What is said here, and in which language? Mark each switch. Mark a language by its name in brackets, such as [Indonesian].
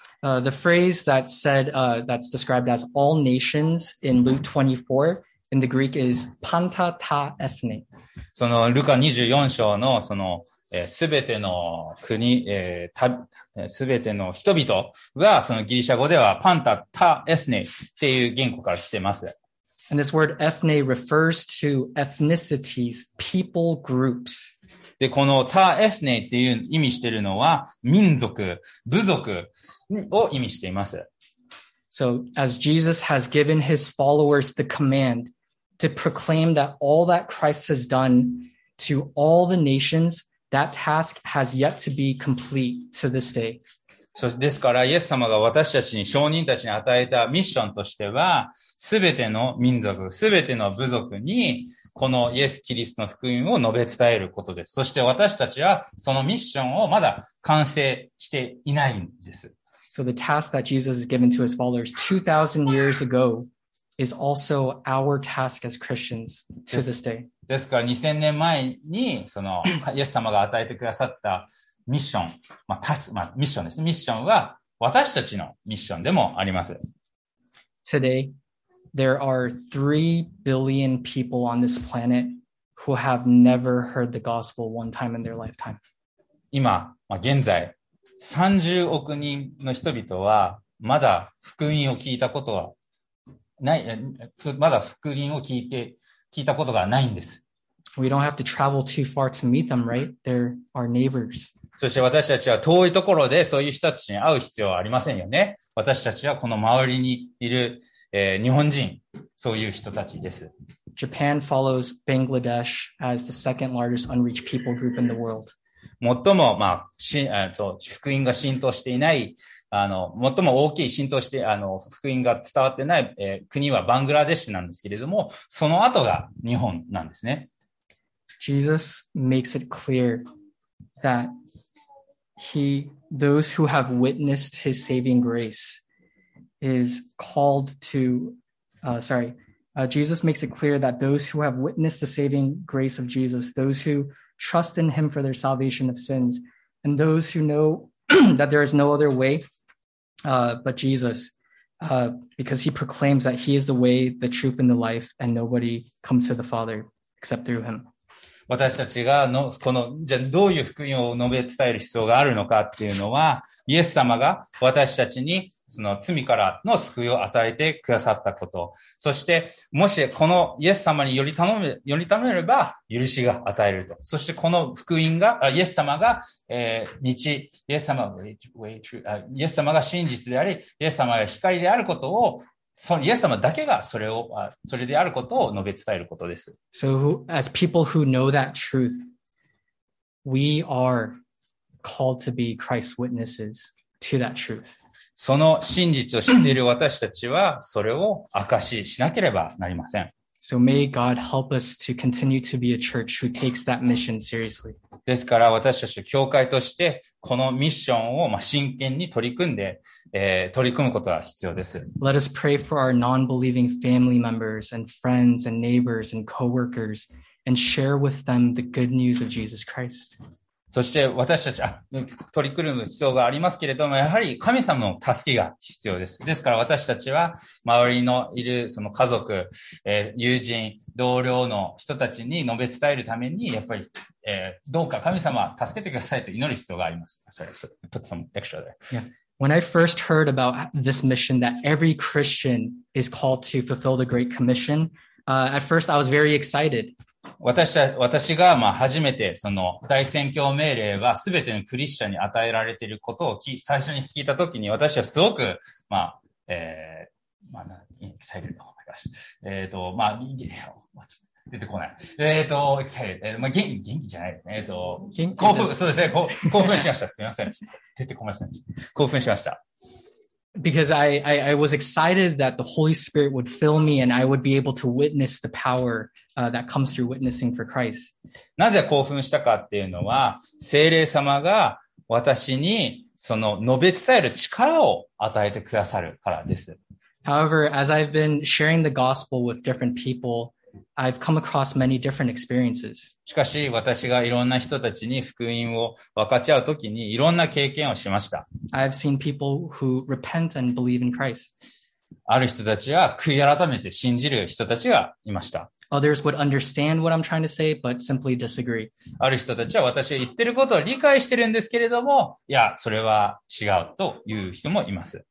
[English] The phrase that said, that's described as all nations in Luke 24, in the Greek is panta ta ethne. [Japanese] その、ルカ24章の、その、すべての国、すべての人々が、そのギリシャ語ではパンタ、タ、エスネっていう言語から来てます。 [English] And this word ethne refers to ethnicities, people groups. [Japanese] で、このタ、エスネっていう意味しているのは民族、部族を意味しています。 [English] So, as Jesus has given his followers the command to proclaim that all that Christ has done to all the nations,That task has yet to be complete to this day. [Japanese] そうですから、イエス様が私たちに、証人たちに与えたミッションとしては、すべての民族、すべての部族に、このイエス・キリストの福音を述べ伝えることです。そして私たちは、そのミッションをまだ完成していないんです。 [English] So the task that Jesus has given to his followers 2,000 years ago is also our task as Christians to this day. [Japanese] ですから2000年前に、その、イエス様が与えてくださったミッション、まあ、まあ、ミッションですね。ミッションは私たちのミッションでもあります。 [English] Today, there are 3 billion people on this planet who have never heard the gospel one time in their lifetime. [Japanese] 今、まあ、現在、30億人の人々は、まだ福音を聞いたことはない、まだ福音を聞いたことがないんです。 [English] We don't have to travel too far to meet them, right? They're our neighbors. [Japanese] そして私たちは遠いところでそういう人たちに会う必要はありませんよね。私たちはこの周りにいる、日本人、そういう人たちです。 [English] Japan follows Bangladesh as the second largest unreached people group in the world. [Japanese] 最も、まあ、福音が浸透していない、最も大きい浸透して、福音が伝わってない、国はバングラデシュなんですけれども、その後が日本なんですね。 [English] Jesus makes it clear that those who have witnessed his saving grace is called to, Jesus makes it clear that those who have witnessed the saving grace of Jesus, those who trust in him for their salvation of sins, and those who know that there is no other way, but Jesus, because he proclaims that he is the way, the truth, and the life, and nobody comes to the Father except through him. [Japanese] 私たちがの、この、じゃあどういう福音を述べ伝える必要があるのかっていうのは、イエス様が私たちにその罪からの救いを与えてくださったこと。そして、もしこのイエス様により頼めれば、許しが与えると。そして、この福音が、イエス様が、道、イエス様が、イエス様が真実であり、イエス様が光であることを、イエス様だけがそれであることを述べ伝えることです。 [English] So, as people who know that truth, we are called to be Christ's witnesses to that truth. [Japanese] その真実を知っている私たちは、それを証ししなければなりません。 [English] So may God help us to continue to be a church who takes that mission seriously. [Japanese] ですから私たち教会としてこのミッションを真剣に取り組んで、取り組むことが必要です。 [English] Let us pray for our non-believing family members and friends and neighbors and co-workers and share with them the good news of Jesus Christ. [Japanese] そして私たち取り組む必要がありますけれども、やはり神様の助けが必要です。ですから私たちは周りのいるその家族、友人、同僚の人たちに述べ伝えるために、やっぱり、どうか神様助けてくださいと祈る必要があります。 [English] Sorry, put some extra there. Yeah. When I first heard about this mission that every Christian is called to fulfill the Great Commission, at first I was very excited. [Japanese] 私がまあ初めてその大宣教命令は全てのクリスチャンに与えられていることを最初に聞いたときに私はすごく、まあ、excited. [English] Oh my gosh. [Japanese] まあ、出てこない。 [English] excited. [Japanese] 元気じゃない。興奮、そうですね。興奮しました。すみません。出てこませんでした。興奮しました。 [English] Because I was excited that the Holy Spirit would fill me and I would be able to witness the power, that comes through witnessing for Christ. [Japanese] なぜ興奮したかっていうのは、聖霊様が私にその述べ伝える力を与えてくださるからです。 [English] However, as I've been sharing the gospel with different people, I've come across many different experiences. [Japanese] しかし、私がいろんな人たちに福音を分かち合うときにいろんな経験をしました。 [English] I've seen people who repent and believe in Christ. [Japanese] ある人たちは悔い改めて信じる人たちがいました。 [English] Others would understand what I'm trying to say, but simply disagree. [Japanese] ある人たちは私が言ってることを理解してるんですけれども、いや、それは違うという人もいます。